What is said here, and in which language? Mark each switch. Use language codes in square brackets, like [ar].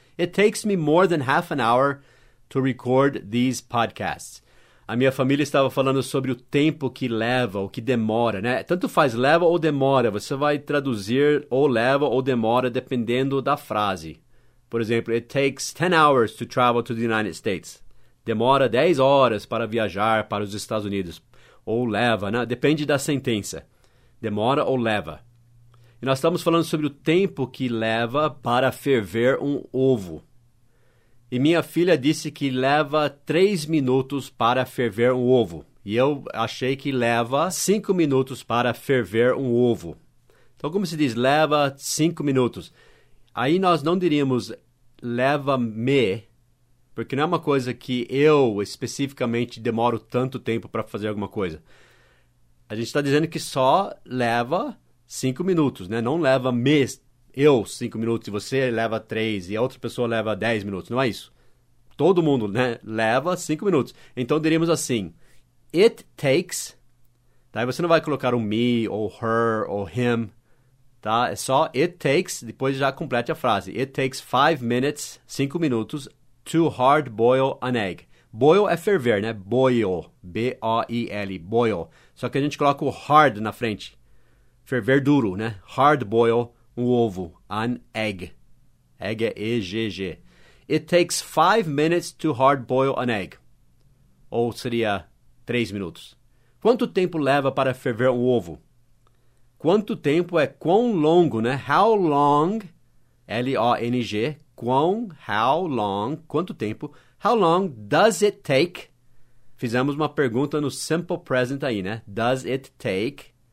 [en] It takes me more than half an hour to record these podcasts. [pt] A minha família estava falando sobre o tempo que leva, ou que demora, né? Tanto faz leva ou demora, você vai traduzir ou leva ou demora, dependendo da frase. [en] Por exemplo, it takes 10 hours to travel to the United States. [pt] Demora 10 horas para viajar para os Estados Unidos. Ou leva, né? Depende da sentença. Demora ou leva. E nós estamos falando sobre o tempo que leva para ferver um ovo. E minha filha disse que leva 3 minutos para ferver um ovo. E eu achei que leva 5 minutos para ferver um ovo. Então, como se diz? Leva 5 minutos. Aí nós não diríamos leva-me, porque não é uma coisa que eu, especificamente, demoro tanto tempo para fazer alguma coisa. A gente está dizendo que só leva 5 minutos, né? Não leva eu 5 minutos e você leva 3 e a outra pessoa leva 10 minutos. Não é isso. todo mundo, né? Leva 5 minutos. Então, diríamos assim, [en] it takes, [pt] daí você não vai colocar um me, ou her, ou him, tá? É só it takes, depois já complete a frase. [en] It takes 5 minutes, [pt] 5 minutos, [en] to hard boil an egg. [pt] Boil é ferver, né? Boil, B-O-I-L, boil. Só que a gente coloca o hard na frente. Ferver duro, né? [en] Hard boil, [pt] um ovo, [en] an egg. [pt] Egg é E-G-G. [en] It takes 5 minutes to hard boil an egg. [pt] Ou seria 3 minutos. Quanto tempo leva para ferver um ovo? Quanto tempo é quão longo, né? [en] How long, L-O-N-G, quão, how long, [pt] quanto tempo, [en] how long does it take? [pt] Fizemos uma pergunta no simple present aí, né? [en] Does it take?